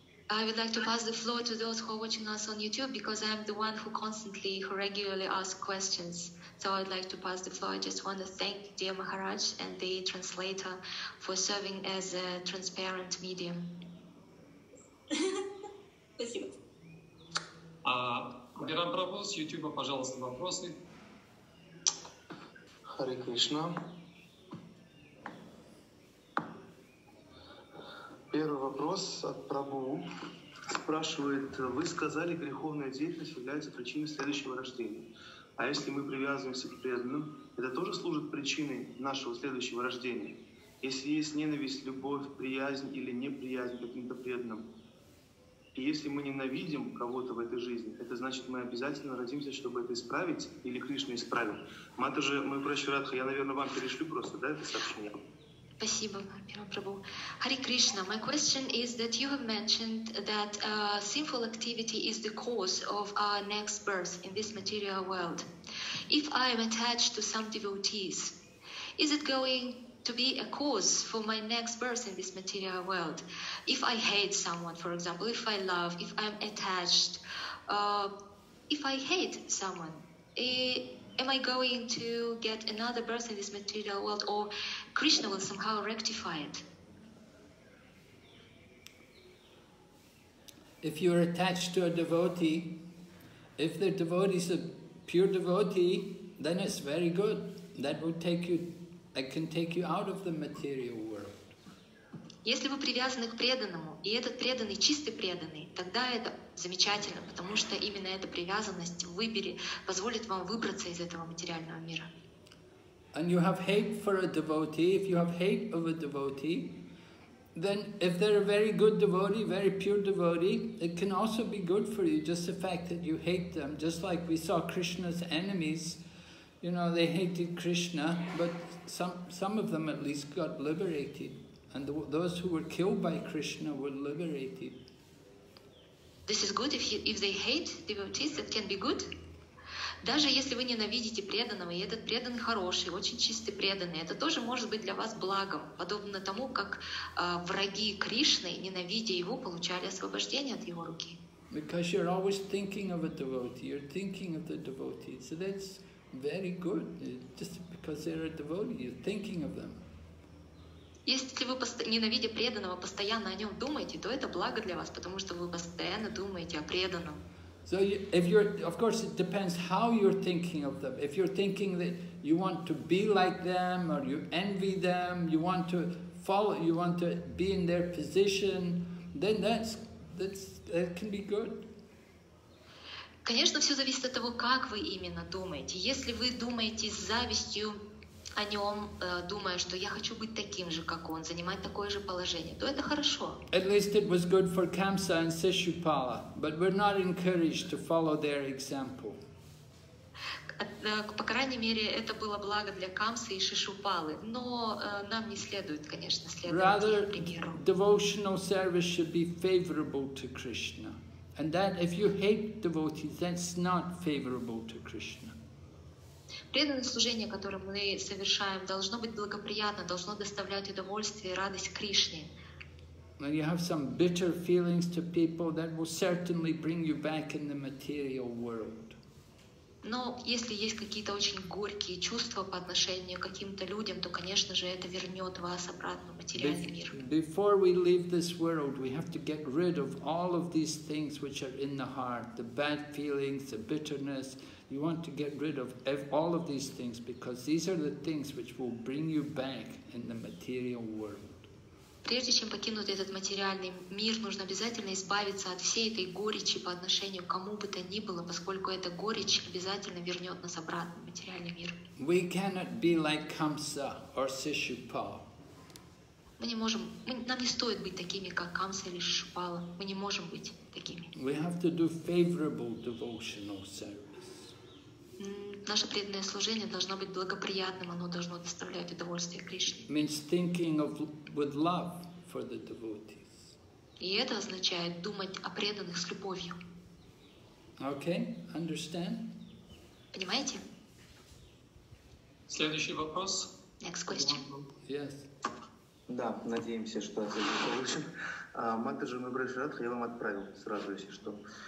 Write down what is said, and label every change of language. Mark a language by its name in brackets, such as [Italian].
[English] I would like to pass the floor to those who are watching us on YouTube because I am the one who regularly asks questions. So I would like to pass the floor. I just want to thank dear Maharaj and the translator for serving as a transparent medium. [Russian] Спасибо. Гирам Прабху, с YouTube, пожалуйста, вопросы. Харе Кришна. Первый вопрос от Прабху спрашивает, вы сказали, греховная деятельность является причиной следующего рождения. А если мы привязываемся к преданным, это тоже служит причиной нашего следующего рождения? если есть ненависть, любовь, приязнь или неприязнь к каким-то преданным. И если мы ненавидим кого-то в этой жизни, это значит, мы обязательно родимся, чтобы это исправить, или Кришна исправил. Мата же, мой прощу Радха, я, наверное, вам перешлю просто, да, это сообщение. Спасибо, Мирапрабху. [English] Hare Krishna, my question is that you have mentioned that sinful activity is the cause of our next birth in this material world. If I am attached to some devotees, is it going to be a cause for my next birth in this material world? If I hate someone, for example, if I love, if I'm attached, if I hate someone, am I going to get another birth in this material world, or Krishna will somehow rectify it? If you're attached to a devotee, if the devotee is a pure devotee, then it's very good. That will take you, I can take you out of the material world. [Russian] Если вы привязаны к преданному, и этот преданный чистый преданный, тогда это замечательно, потому что именно эта привязанность в выборе позволит вам выбраться из этого материального мира. [English] And you have hate for a devotee, if you have hate of a devotee, then if they're a very good devotee, very pure devotee, it can also be good for you, just the fact that you hate them, just like we saw Krishna's enemies. You know, they hated Krishna, but some of them at least got liberated. And those who were killed by Krishna were liberated. This is good if they hate devotees, that can be good. [Russian] Даже если вы ненавидите преданного, и этот преданный хороший, очень чистый преданный, это тоже может быть для вас благом, подобно тому, как враги Кришны, ненавидя его, получали освобождение от его руки. [English] Because you're always thinking of a devotee, you're thinking of the devotee, so that's very good, just because they're a devotee, you're thinking of them. [Russian] Если вы, ненавидя преданного, постоянно о нем думаете, то это благо для вас, потому что вы постоянно думаете о преданном. [English] So if you're, of course, it depends how you're thinking of them. If you're thinking that you want to be like them, or you envy them, you want to follow, you want to be in their position, then that can be good. [Russian] Конечно, все зависит от того, как вы именно думаете. Если вы думаете с завистью о нем, думая, что я хочу быть таким же, как он, занимать такое же положение, то это хорошо. [English] At least it was good for Kamsa and Sishupala, but we're not encouraged to follow their example. [Russian] По крайней мере, это было благо для Камсы и Шишупалы, но нам не следует, конечно, следовать их примеру. [English] Rather, devotional service should be favorable to Krishna, and that if you hate devotees, that's not favorable to Krishna. [Russian] Преданное служение, которое мы совершаем, должно быть благоприятно, должно доставлять удовольствие и радость Кришне. [English] When you have some bitter feelings to people, that will certainly bring you back in the material world. [Russian] Но если есть какие-то очень горькие чувства по отношению к каким-то людям, то, конечно же, это вернет вас обратно в материальный мир. [English] Before we leave this world, we have to get rid of all of these things which are in the heart, the bad feelings, the bitterness. You want to get rid of all of these things because these are the things which will bring you back in the material world. [Russian] Прежде чем покинуть этот материальный мир, нужно обязательно избавиться от всей этой горечи по отношению к кому бы то ни было, поскольку эта горечь обязательно вернет нас обратно в материальный мир. [English] We cannot be like Kamsa or Sishupal. [Russian] Мы не можем, нам не стоит быть такими, как Камса или Шишупала. Мы не можем быть такими. [English] We have to do favorable devotional service. [Russian] Наше преданное служение должно быть благоприятным, оно должно доставлять удовольствие Кришне. [English] Means thinking of with love for the devotees. [Russian] И это означает думать о преданных с любовью. [English] Okay, understand? [Russian] Понимаете? Следующий вопрос. [English] Next question. Yes. [Russian] Да, надеемся, что ответ получим. Матаджи, мой брат Радха, я вам отправил сразу, если что.